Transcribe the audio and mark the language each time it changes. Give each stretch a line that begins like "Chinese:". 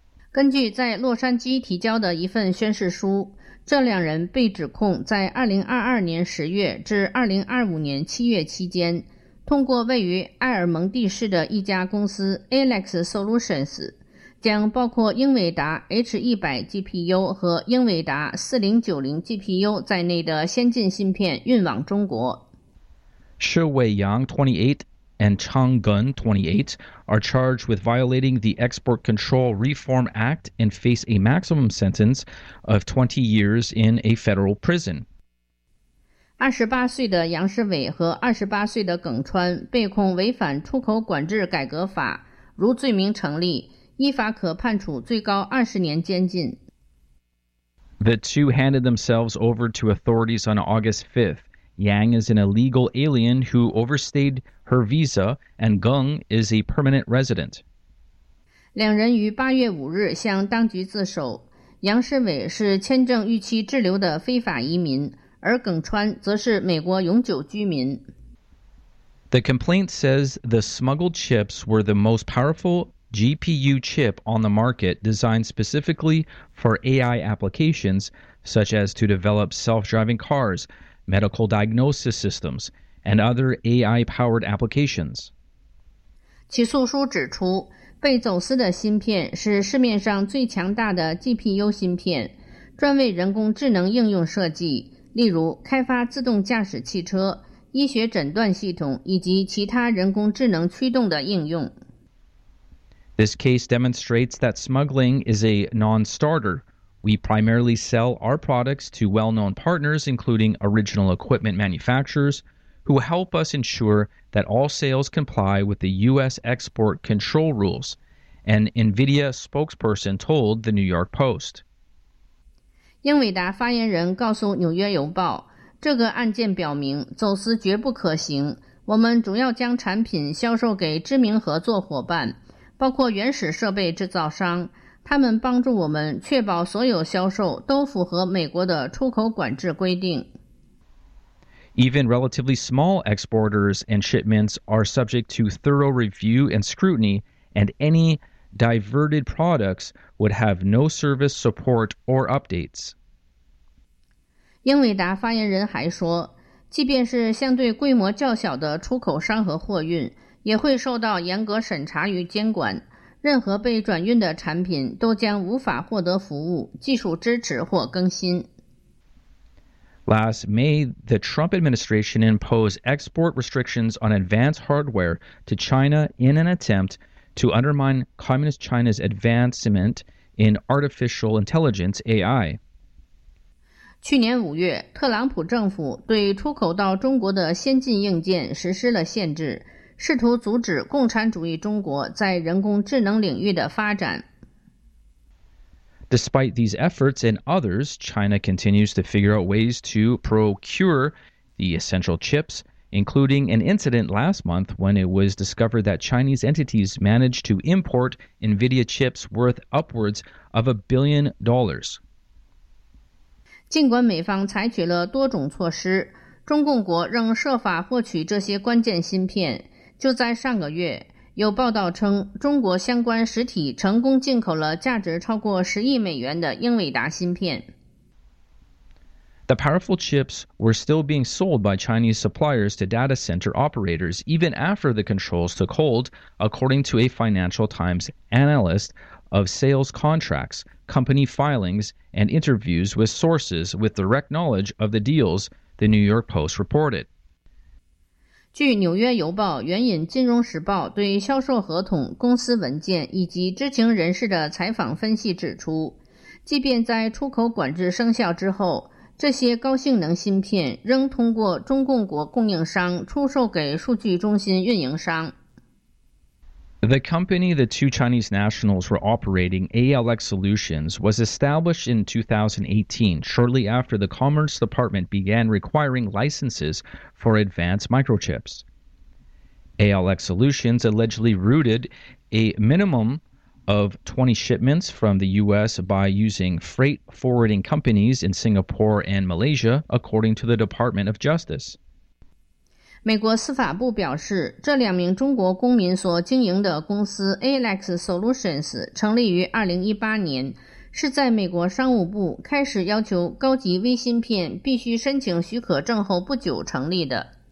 Chinese: 根据在洛杉矶提交的一份宣誓书，这两人被指控在2022年10月至2025年7月期间，通过位于埃尔蒙蒂市的一家公司 ALX Solutions， 将包括英伟达 H100 GPU 和英伟达4090 GPU 在内的先进芯片运往中国。
English: Shi Weiyang, 28, and Chang Gun, 28, are charged with violating the Export Control Reform Act and face a maximum sentence of 20 years in a federal prison.
Chinese: 28岁的杨世伟和28岁的耿川被控违反出口管制改革法，如罪名成立，依法可判处最高20年监禁。
English: The two handed themselves over to authorities on August 5th. Yang is an illegal alien who overstayed her visa, and Gung is a permanent resident.
Chinese: 两人于8月5日向当局自首。杨世伟是签证逾期滞留的非法移民，而耿川则是美国永久居民。
English: The complaint says the smuggled chips were the most powerful GPU chip on the market designed specifically for AI applications, such as to develop self-driving cars,medical diagnosis systems, and other AI-powered applications.
Chinese: 起诉书指出，被走私的芯片是市面上最强大的 GPU 芯片，专为人工智能应用设计，例如开发自动驾驶汽车、医学诊断系统以及其他人工智能驱动的应用。
English: This case demonstrates that smuggling is a non-starter. We primarily sell our products to well-known partners, including original equipment manufacturers, who help us ensure that all sales comply with the U.S. export control rules, an NVIDIA spokesperson told the New York Post.
Chinese: 英伟达发言人告诉《纽约邮报》，这个案件表明走私绝不可行。我们主要将产品销售给知名合作伙伴，包括原始设备制造商。他们帮助我们确保所有销售都符合美国的出口管制规定。
English: Even relatively small exporters and shipments are subject to thorough review and scrutiny, and any diverted products would have no service support or updates.
Chinese: 英伟达发言人还说，即便是相对规模较小的出口商和货运，也会受到严格审查与监管。任何被转运的产品都将无法获得服务、技术支持或更新。
English: Last May, the Trump administration imposed export restrictions on advanced hardware to China in an attempt to undermine Communist China's advancement in artificial intelligence AI.
Chinese: 去年五月，特朗普政府对出口到中国的先进硬件实施了限制。试图阻止共产主义中国在人工智能领域的发展。
English: Despite these efforts and others, China continues to figure out ways to procure the essential chips including an incident last month when it was discovered that Chinese entities managed to import NVIDIA chips worth upwards of $1 billion.
Chinese: 尽管美方采取了多种措施，中共国仍设法获取这些关键芯片。就在上个月，有报道称中国相关实体成功进口了价值超过10亿美元的英伟达芯片。
English: The powerful chips were still being sold by Chinese suppliers to data center operators even after the controls took hold, according to a Financial Times analyst of sales contracts, company filings, and interviews with sources with direct knowledge of the deals, the New York Post reported.
Chinese: 据纽约邮报援引金融时报对销售合同、公司文件以及知情人士的采访分析指出，即便在出口管制生效之后，这些高性能芯片仍通过中共国供应商出售给数据中心运营商。
English: The company the two Chinese nationals were operating, ALX Solutions, was established in 2018, shortly after the Commerce Department began requiring licenses for advanced microchips. ALX Solutions allegedly routed a minimum of 20 shipments from the U.S. by using freight forwarding companies in Singapore and Malaysia, according to the Department of Justice.
Chinese: 美国司法部表示，这两名中国公民所经营的公司 ALX Solutions 成立于2018年，是在美国商务部开始要求高级微芯片必须申请许可证后不久成立的。